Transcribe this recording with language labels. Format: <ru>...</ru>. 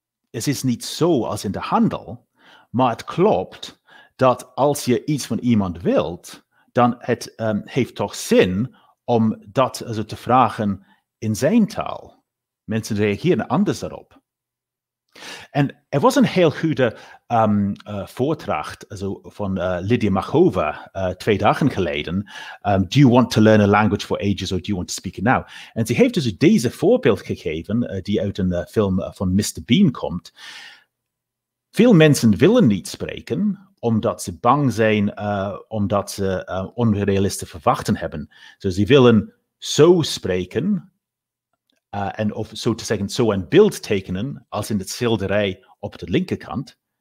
<nl>Het is niet zo als in de handel, maar het klopt dat als je iets van iemand wilt, dan het heeft toch zin om dat te vragen in zijn taal. Mensen reageren anders daarop. En er was een heel goede voordracht van Lydia Machova twee dagen geleden.</nl> <en>Do you want to learn a language for ages or do you want to speak it now?</en> <nl>En ze heeft dus deze voorbeeld gegeven, die uit een film van Mr. Bean komt. Veel mensen willen niet spreken, omdat ze bang zijn, omdat ze onrealistische verwachten hebben. Dus ze willen zo spreken, en of zo te zeggen, zo een beeld tekenen, als in het schilderij op de linkerkant.</nl>